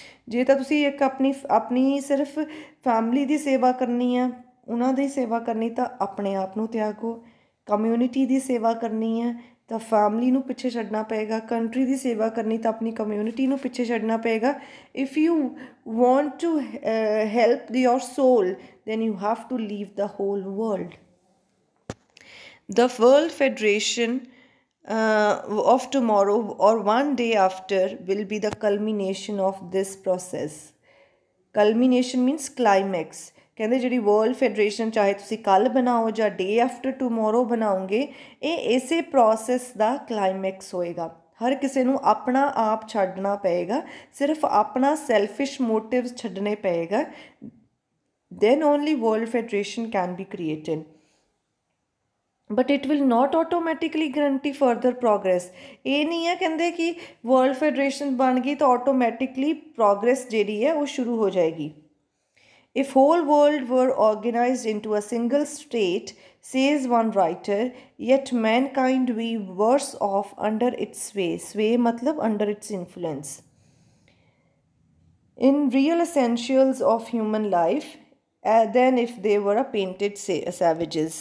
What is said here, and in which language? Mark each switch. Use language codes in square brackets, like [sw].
[pa] ਜੇ ਤਾਂ ਤੁਸੀਂ ਇੱਕ ਆਪਣੀ ਸਿਰਫ ਫੈਮਲੀ ਦੀ ਸੇਵਾ ਕਰਨੀ ਆ, ਉਹਨਾਂ ਦੀ ਸੇਵਾ ਕਰਨੀ ਤਾਂ ਆਪਣੇ ਆਪ ਨੂੰ ਤਿਆਗੋ। ਕਮਿਊਨਿਟੀ ਦੀ ਸੇਵਾ ਕਰਨੀ ਹੈ ਤਾਂ ਫੈਮਲੀ ਨੂੰ ਪਿੱਛੇ ਛੱਡਣਾ ਪਏਗਾ, ਕੰਟਰੀ ਦੀ ਸੇਵਾ ਕਰਨੀ ਤਾਂ ਆਪਣੀ ਕਮਿਊਨਿਟੀ ਨੂੰ ਪਿੱਛੇ ਛੱਡਣਾ ਪਏਗਾ। [en] If you want to help your soul, then you have to leave the whole world. The World Federation of tomorrow or one day after will be the culmination of this process. Culmination means climax. [pa] ਕਹਿੰਦੇ ਜਿਹੜੀ world federation ਚਾਹੇ ਤੁਸੀਂ ਕੱਲ੍ਹ ਬਣਾਓ ਜਾਂ ਡੇ after ਟੂਮੋਰੋ ਬਣਾਓਗੇ, ਇਹ ਇਸੇ ਪ੍ਰੋਸੈਸ ਦਾ ਕਲਾਈਮੈਕਸ ਹੋਏਗਾ। ਹਰ ਕਿਸੇ ਨੂੰ ਆਪਣਾ ਆਪ ਛੱਡਣਾ ਪਏਗਾ, ਸਿਰਫ ਆਪਣਾ ਸੈਲਫਿਸ਼ ਮੋਟਿਵ ਛੱਡਣੇ ਪਏਗਾ, [en] Then only world federation can be created. But it will not automatically guarantee further progress. [pa] ਇਹ ਨਹੀਂ ਹੈ ਕਹਿੰਦੇ ਕਿ ਵਰਲਡ ਫੈਡਰੇਸ਼ਨ ਬਣ ਗਈ ਤਾਂ ਆਟੋਮੈਟਿਕਲੀ ਪ੍ਰੋਗਰੈਸ ਜਿਹੜੀ ਹੈ ਉਹ ਸ਼ੁਰੂ ਹੋ ਜਾਏਗੀ। [en] If whole world were organized into a single state, says one writer, yet mankind be worse off under its sway. Sway matlab under its influence. In real essentials of human life, then if they were a painted savages.